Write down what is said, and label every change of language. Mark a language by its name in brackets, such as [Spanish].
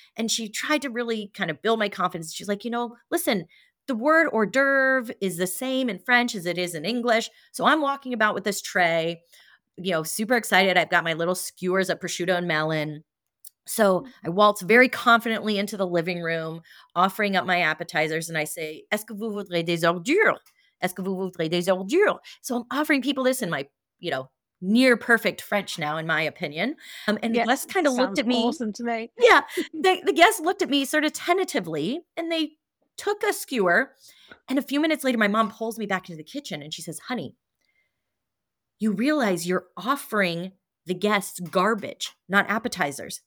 [English] And she tried to really kind of build my confidence. She's like, you know, listen, the word hors d'oeuvre is the same in French as it is in English. So I'm walking about with this tray, you know, super excited. I've got my little skewers of prosciutto and melon. So I waltz very confidently into the living room, offering up my appetizers. [French] And I say, est-ce que vous voudrez des hors d'oeuvre? Est-ce que vous voudrez des hors d'oeuvre? [English] So I'm offering people this in my, you know, near perfect French now, in my opinion. And yeah, the guests kind of looked at me. Awesome to me. Yeah. The guests looked at me sort of tentatively and they took a skewer. And a few minutes later, my mom pulls me back into the kitchen and she says, honey, you realize you're offering the guests garbage, not appetizers.